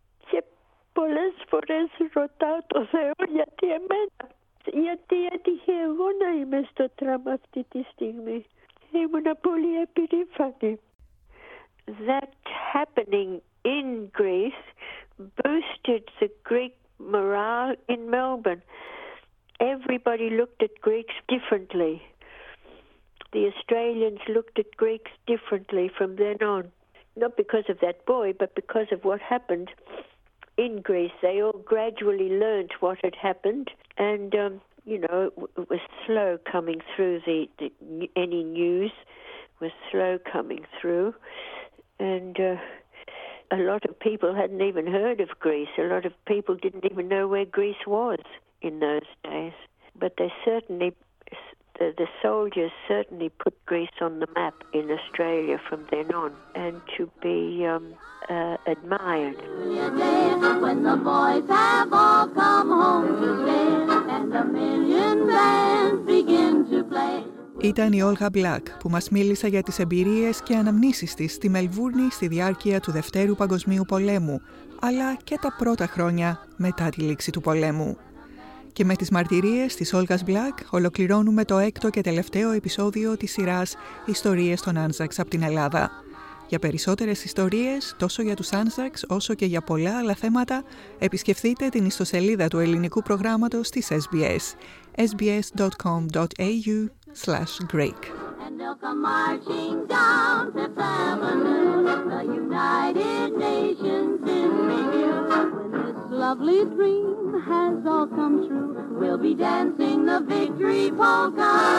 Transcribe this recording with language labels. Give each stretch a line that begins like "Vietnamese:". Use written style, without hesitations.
Greek: Και πολλές φορές ρωτάω το Θεό γιατί εμένα. Γιατί έτυχε εγώ να είμαι στο τραμ αυτή τη στιγμή. Ήμουνα πολύ επερήφανη.
English: That happening in Greece boosted the Greek morale in Melbourne. Everybody looked at Greeks differently. The Australians looked at Greeks differently from then on. Not because of that boy, but because of what happened in Greece. They all gradually learnt what had happened. And, you know, it was slow coming through. Any news was slow coming through. And a lot of people hadn't even heard of Greece. A lot of people didn't even know where Greece was in those days. But they certainly, the soldiers certainly put Greece on the map in Australia from then on, and to be admired. When the boys have all come home to bed and the million bands begin to play.
Greek: Ήταν η Όλγα Μπλακ που μας μίλησε για τις εμπειρίες και αναμνήσεις της στη Μελβούρνη στη διάρκεια του Δευτέρου Παγκοσμίου Πολέμου, αλλά και τα πρώτα χρόνια μετά τη λήξη του πολέμου. Και με τις μαρτυρίες της Όλγας Μπλακ ολοκληρώνουμε το έκτο και τελευταίο επεισόδιο της σειράς «Ιστορίες των Άνζακς από την Ελλάδα». Για περισσότερες ιστορίες, τόσο για τους Άνζακς όσο και για πολλά άλλα θέματα, επισκεφτείτε την ιστοσελίδα του ελληνικού προγράμματος της SBS, sbs.com.au/greek.
English: And they'll come marching down Fifth Avenue, the United Nations in review. When this lovely dream has all come true, we'll be dancing the victory polka.